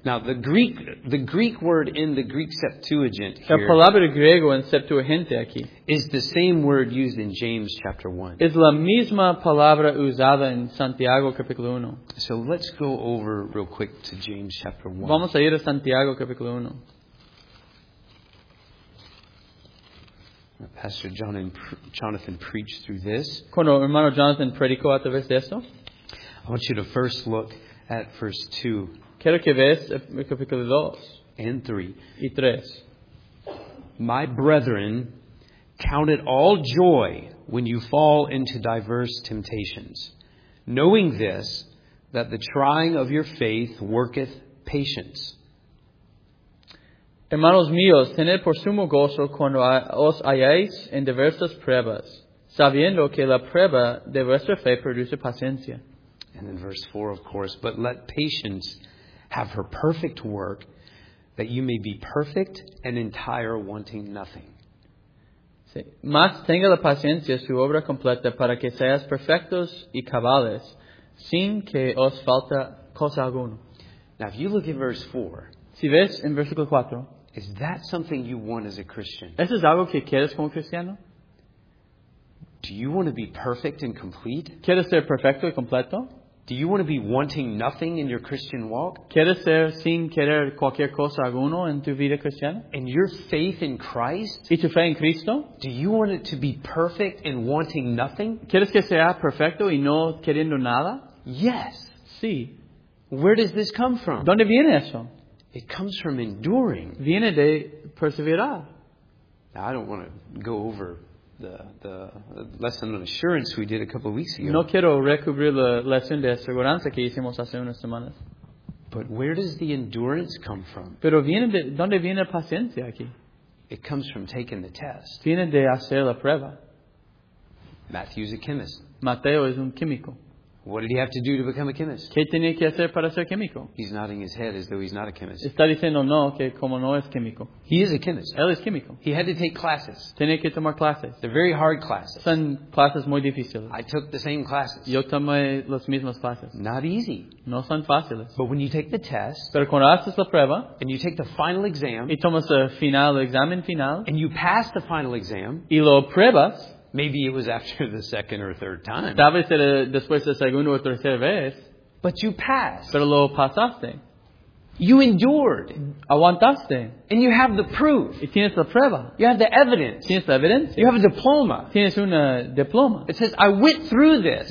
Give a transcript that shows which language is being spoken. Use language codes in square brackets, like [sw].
[en] Now the Greek word in the Greek Septuagint here. [es] La palabra griego en Septuaginta aquí. [en] Is the same word used in James chapter 1. [es] Es la misma palabra usada en Santiago capítulo 1. [en] So let's go over real quick to James chapter 1. [es] Vamos a ir a Santiago capítulo 1. [en] Pastor Jonathan preached through this. [es] Cuando hermano Jonathan predicó a través de esto. [en] I want you to first look at verse 2. [es] Quiero que veas el capítulo 2. [en] And 3. [es] Y 3. [en] My brethren, count it all joy when you fall into diverse temptations, knowing this, that the trying of your faith worketh patience. [es] Hermanos míos, tened por sumo gozo cuando os halláis en diversas pruebas, sabiendo que la prueba de vuestra fe produce paciencia. [en] And in verse 4, of course, but let patience have her perfect work, that you may be perfect and entire, wanting nothing. [es] Sí. Mas tenga la paciencia su obra completa para que seas perfectos y cabales, sin que os falta cosa alguna. [en] Now, if you look at verse 4, [es] si ves en versículo 4, [en] is that something you want as a Christian? [es] ¿Eso es algo que quieres como cristiano? [en] Do you want to be perfect and complete? [es] ¿Quieres ser perfecto y completo? [en] Do you want to be wanting nothing in your Christian walk? [es] ¿Quieres ser sin querer cualquier cosa alguno en tu vida cristiana? [en] And your faith in Christ? [es] ¿Y tu fe en Cristo? [en] Do you want it to be perfect and wanting nothing? [es] ¿Quieres que sea perfecto y no queriendo nada? [en] Yes. [es] Sí. [en] Where does this come from? [es] ¿Dónde viene eso? [en] It comes from enduring. [es] Viene de perseverar. [en] Now, I don't want to go over the lesson on assurance we did a couple of weeks ago. [es] No quiero recubrir la lección de aseguranza que hicimos hace unas semanas. [en] But where does the endurance come from? [es] Pero viene de, ¿dónde viene la paciencia aquí? [en] It comes from taking the test. [es] Viene de hacer la prueba. [en] Matthew's a chemist. [es] Mateo es un químico. [en] What did he have to do to become a chemist? [es] ¿Qué tenía que hacer para ser químico? [en] He's nodding his head as though he's not a chemist. [es] Está diciendo no, que como no es químico. [en] He is a chemist. [es] Él es químico. [en] He had to take classes. [es] Tenía que tomar clases. [en] They're very hard classes. [es] Son clases muy difíciles. [en] I took the same classes. [es] Yo tomé las mismas clases. [en] Not easy. [es] No son fáciles. [en] But when you take the test, [es] pero cuando haces la prueba, [en] and you take the final exam, [es] y tomas el final, examen final, [en] and you pass the final exam, [es] y lo apruebas, [en] maybe it was after the second or third time. [es] Tal vez era después de segundo o tercera vez. [en] But you passed. [es] Pero lo pasaste. [en] You endured. [es] Aguantaste. [en] And you have the proof. [es] Y tienes la prueba. [en] You have the evidence. [es] Tienes la evidencia. [en] You have a diploma. [es] Tienes una diploma. [en] It says, I went through this.